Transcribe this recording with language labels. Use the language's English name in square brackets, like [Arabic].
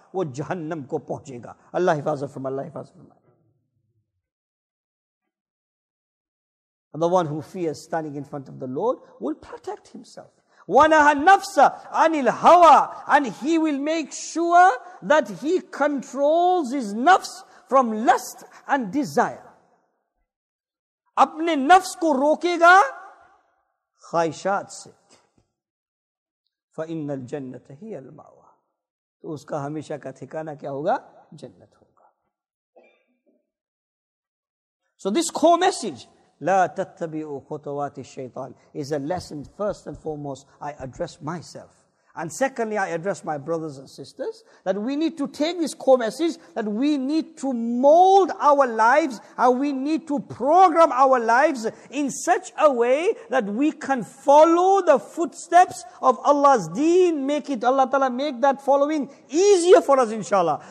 [Urdu] Wo jahannam ko pahunchega. [English] Allah hifazat from Allah hifazat from Allah. And the one who fears standing in front of the Lord will protect himself. [Arabic] وَنَهَا النَّفْسَ عَنِ الْهَوَىٰ. [English] And he will make sure that he controls his nafs from lust and desire. [Urdu] اپنے نفس کو روکے گا خواہشات سے. [Arabic] فَإِنَّ الْجَنَّةَ هِيَ الْمَعْوَىٰ. [Urdu] تو اس کا ہمیشہ کا ٹھکانہ کیا ہوگا؟ جنت ہوگا. [English] So this core message, [Arabic] لا تتبعوا خطوات الشيطان, [English] is a lesson. First and foremost, I address myself. And secondly, I address my brothers and sisters, that we need to take this core message, that we need to mold our lives and we need to program our lives in such a way that we can follow the footsteps of Allah's deen, make it, Allah Ta'ala, make that following easier for us, inshallah.